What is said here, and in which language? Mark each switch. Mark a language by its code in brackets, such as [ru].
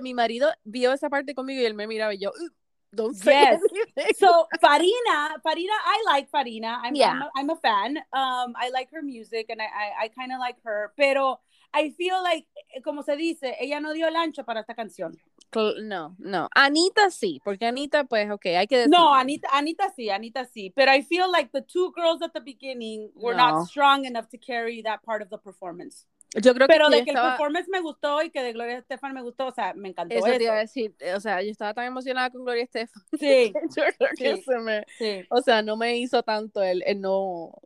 [es] Mi marido vio esa parte conmigo y él me miraba y yo, [en] don't say yes. So, Farina, I like Farina. I'm a fan. I like her music and I kind of like her. [es] Pero [en] I feel like, [es] como se dice, ella no dio el ancho para esta canción. No. Anita sí, porque Anita, pues, okay, hay que decir. No, Anita sí. [en] Pero I feel like the two girls at the beginning were not strong enough to carry that part of the performance. [es] Yo creo pero que de que estaba... el performance me gustó y que de Gloria Estefan me gustó, o sea, me encantó eso. Eso te iba a decir, o sea, yo estaba tan emocionada con Gloria Estefan. Sí. Yo creo que se me... Sí. O sea, no me hizo tanto el no...